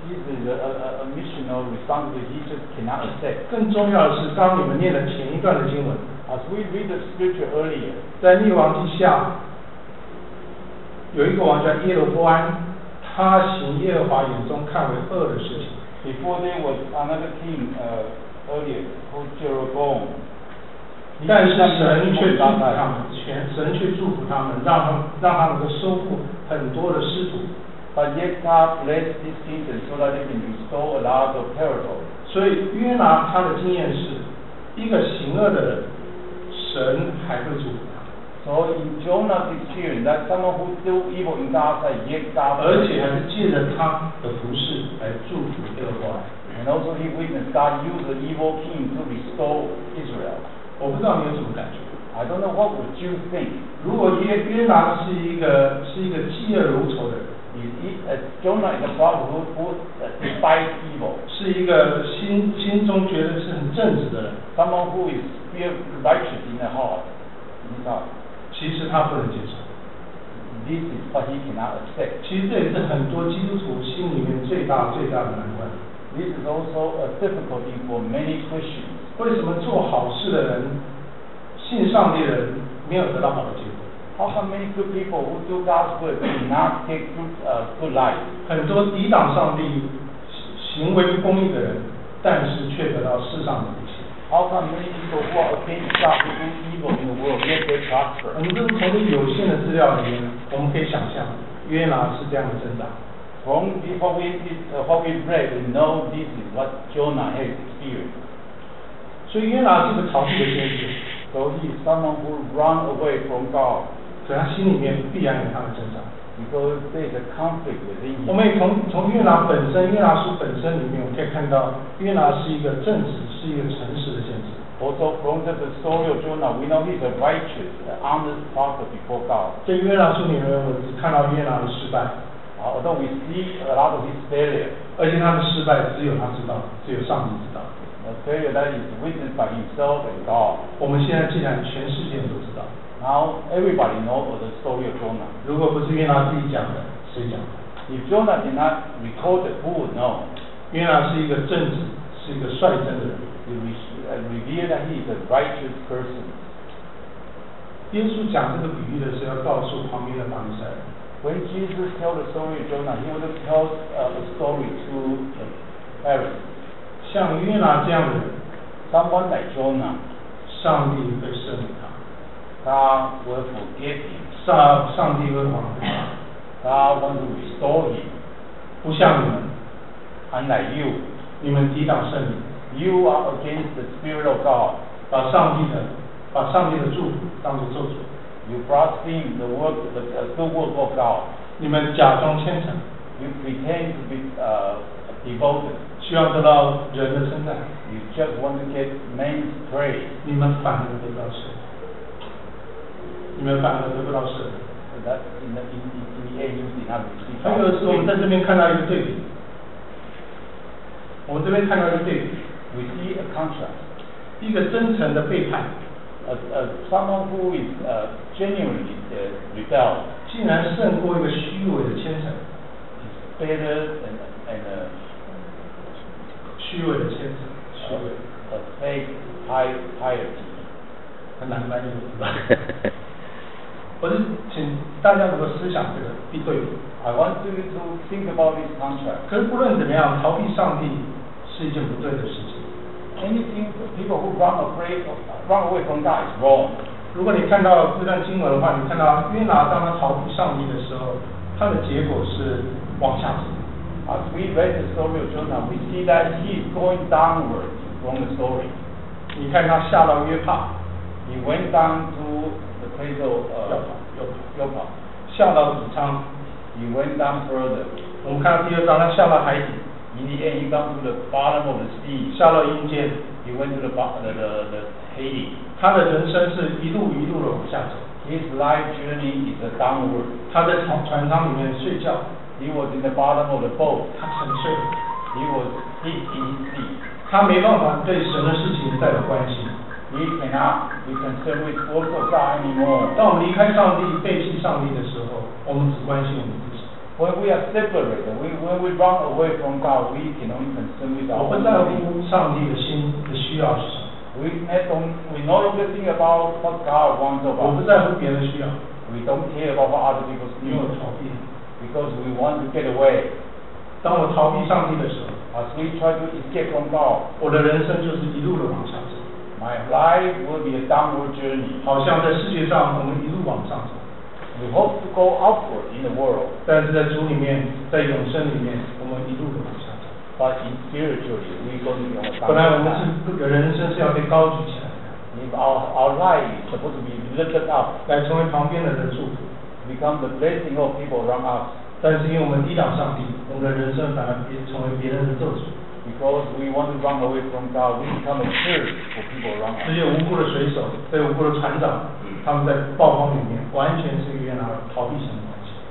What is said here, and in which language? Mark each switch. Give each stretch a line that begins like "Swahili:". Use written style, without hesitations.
English: This is a mission or responsibility he just cannot accept.
Chinese: 更重要的是，当你们念了前一段的经文
English: ，As we read the scripture earlier,
Chinese: 在列王记下，有一个王叫耶罗波安，他行耶和华眼中看为恶的事情。
English: Before there was another king, earlier called Jeroboam.
Chinese: 但是神却祝福他们，让他们能够收复很多的失土。
English: But yet God blessed this kingdom so that they can restore a lot of territory.
Chinese: 所以约拿他的经验是，一个行恶的人，神还会祝福他。
English: So in Jonah's experience, that someone who do evil in God's sight, yet God.
Chinese: 而且还是借着他的服事来祝福耶和华。
English: And also he witnessed God use the evil king to restore Israel.
Chinese: 我不知道你有什么感觉。
English: I don't know what would you think.
Chinese: 如果约拿是一个嫉恶如仇的人
English: ，Jonah is a prophet who despises evil.
Chinese: 是一个心中觉得是很正直的人
English: ，someone who is very righteous in the heart.
Chinese: 你知道？其实他不能接受。
English: This is what he cannot accept.
Chinese: 其实这也是很多基督徒心里面最大的难关。
English: This is also a difficulty for many Christians.
Chinese: 为什么做好事的人、信上帝的人没有得到好的结果
English: ？How come many good people who do God's work do not get good life？
Chinese: 很多抵挡上帝、行为不公义的人，但是却得到世上的一切。
English: How come many people who are against God who do evil in the world yet they prosper？
Chinese: 我们从有限的资料里面，我们可以想象约拿是这样的挣扎。
English: From what we read, we know this is what Jonah has experienced.
Chinese: 所以约拿是个逃避的先知
English: ，so he is someone who run away from God。
Chinese: 所以他心里面必然有他的挣扎
English: ，because there's a conflict within him。
Chinese: 我们也从约拿本身，约拿书本身里面，我们可以看到约拿是一个正直，是一个诚实的先知。
English: Also from the story of Jonah, we know he's a righteous, honest prophet before God。
Chinese: 在约拿书里面，我只看到约拿的失败
English: ，although we see a lot of his failure。
Chinese: 而且他的失败只有他知道，只有上帝知道。
English: A failure that is witnessed by himself and God.
Chinese: 我们现在既然全世界都知道
English: ，Now everybody knows the story of Jonah.
Chinese: 如果不是约拿自己讲的，谁讲的
English: ？If Jonah did not record it, who would know?
Chinese: 约拿是一个正直，是一个率真的人。
English: Revealed that he is a righteous person.
Chinese: 耶稣讲这个比喻的时候，要告诉旁边的法利赛人。
English: When Jesus tells the story of Jonah, he would tell the story to the Pharisees.
Chinese: 像约拿这样的人
English: ，someone like Jonah，
Chinese: 上帝会赦免他
English: ，God will forgive him。
Chinese: 上帝为王。
English: God wants to restore you.
Chinese: 不像你们。
English: Unlike you.
Chinese: 你们抵挡圣灵。
English: You are against the Spirit of God.
Chinese: 把上帝的祝福当作咒诅。
English: You blaspheme the work, the work of God.
Chinese: 你们假装虔诚。
English: You pretend to be devoted.
Chinese: 需要得到人的称赞。
English: You just want to get men's praise.
Chinese: 你们反而得不到神。你们反而得不到神。
English: That in the end, you did not receive.
Chinese: 我们在这边看到一个对比。我们这边看到一个对比。
English: We see a contrast.
Chinese: 一个真诚的背叛。
English: Someone who is genuinely rebel.
Chinese: 竟然胜过一个虚伪的虔诚。
English: It's better than a
Chinese: 虚伪的虔诚。虚伪。
English: A fake piety.
Chinese: 很难翻译，是吧？我是请大家能够思想这个一对比。
English: I want you to think about this contrast.
Chinese: 可是不论怎么样，逃避上帝是一件不对的事情。
English: Anything people who run away from God is wrong.
Chinese: 如果你看到这段经文的话，你看到约拿当他逃避上帝的时候，他的结果是往下走。
English: As we read the story of Jonah, we see that he is going downward from the story.
Chinese: 你看他下到约帕。
English: He went down to the place of
Chinese: Yopa. 下到底舱。
English: He went down further.
Chinese: 我们看到第二章，他下到海底。
English: In the end, he went to the bottom of the sea.
Chinese: 下到阴间。
English: He went to the Hades.
Chinese: 他的人生是一路一路的往下走。
English: His life journey is a downward.
Chinese: 他在船舱里面睡觉。
English: He was in the bottom of the boat.
Chinese: 他沉睡。
English: He was deep in his sleep.
Chinese: 他没办法对神的事情再有关心。
English: We cannot be concerned with the work of God anymore.
Chinese: 当我们离开上帝、背弃上帝的时候，我们只关心我们自己。
English: When we are separated, when we run away from God, we can only concern with our own.
Chinese: 我不在乎上帝的心的需要是什么。
English: We no longer think about what God wants of us.
Chinese: 我不在乎别人的需要。
English: We don't care about what other people's need.
Chinese: 因为逃避。
English: Because we want to get away.
Chinese: 当我逃避上帝的时候
English: ，As we try to escape from God,
Chinese: 我的人生就是一路的往下走。
English: My life will be a downward journey.
Chinese: 好像在世界上，我们一路往上走。
English: We hope to go upward in the world.
Chinese: 但是在主里面，在永生里面，我们一路的往上走。
English: But in spiritually, we go to the downward.
Chinese: 本来我们是人生是要被高举起来的。
English: If our life is supposed to be lifted up,
Chinese: 来成为旁边的人祝福。
English: Become the blessing of people around us.
Chinese: 但是因为我们抵挡上帝，我们的人生反而成为别人的咒诅。
English: Because we want to run away from God, we become a curse for people around us.
Chinese: 这些无辜的水手，这些无辜的船长，他们在暴风里面，完全是约拿逃避神的关系。